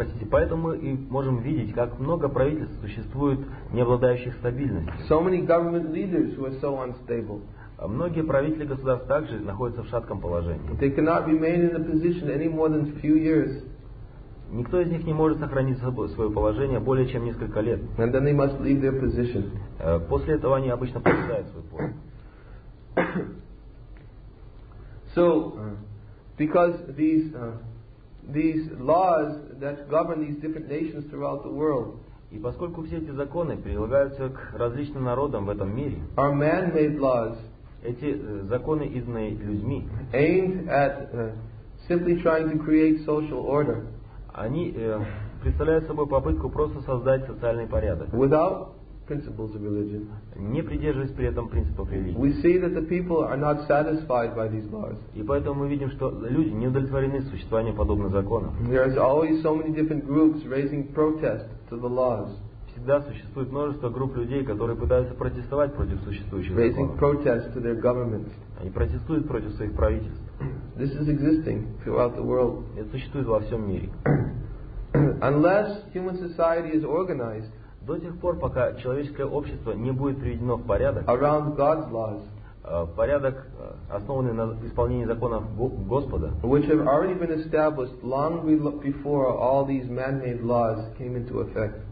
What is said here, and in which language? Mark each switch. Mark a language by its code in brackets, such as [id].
[ru] Поэтому мы и можем видеть, как много правительств существует, не обладающих стабильностью. [en] So many government leaders who are so unstable. [ru] Многие правители государств также находятся в шатком положении. [en] They cannot remain in the position any more than a few years. [ru] Никто из них не может сохранить свое положение более чем несколько лет. [en] And then they must leave their position. [ru] После этого они обычно покидают свой пост. [en] So, because these laws that govern these different nations throughout the world. [ru] И поскольку все эти законы прилагаются к различным народам в этом мире. [en] Are man-made laws. [ru] Эти законы изданы людьми. [en] Aimed at simply trying to create social order. [ru] Они представляют собой попытку просто создать социальный порядок. [en] Without principles of religion. [ru] Не придерживаясь при этом принципов религии. [en] We see that the people are not satisfied by these laws. [ru] И поэтому мы видим, что люди не удовлетворены существованием подобных законов. [en] There is always so many different groups raising protest to the laws. [ru] Всегда существует множество групп людей, которые пытаются протестовать против существующих законов. [en] Raising protest to their governments. [ru] Они протестуют против своих правительств. [en] This is existing throughout the world. [ru] Это существует во всем мире. [en] Unless human society is organized. [ru] До тех пор, пока человеческое общество не будет приведено в порядок, [en] around God's laws, [ru] порядок, основанный на исполнении законов Господа, [en] which have already been established long before all these man-made laws came into effect,